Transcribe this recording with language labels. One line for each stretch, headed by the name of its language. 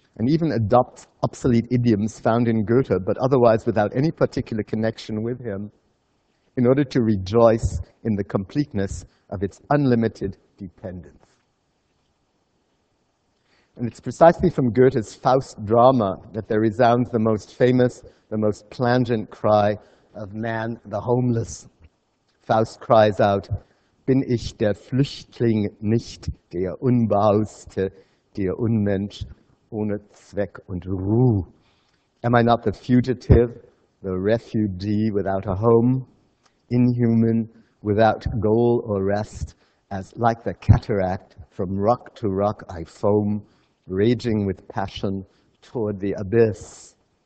English: and even adopts obsolete idioms found in Goethe, but otherwise without any particular connection with him, in order to rejoice in the completeness of its unlimited dependence. And it's precisely from Goethe's Faust drama that there resounds the most famous, the most plangent cry of man, the homeless. Faust cries out,
German: "Bin ich der Flüchtling nicht, der Unbauste, der Unmensch, ohne Zweck und Ruhe?
English: Am I not the fugitive, the refugee without a home? Inhuman, without goal or rest, as like the cataract, from rock to rock I foam, raging with passion toward the abyss."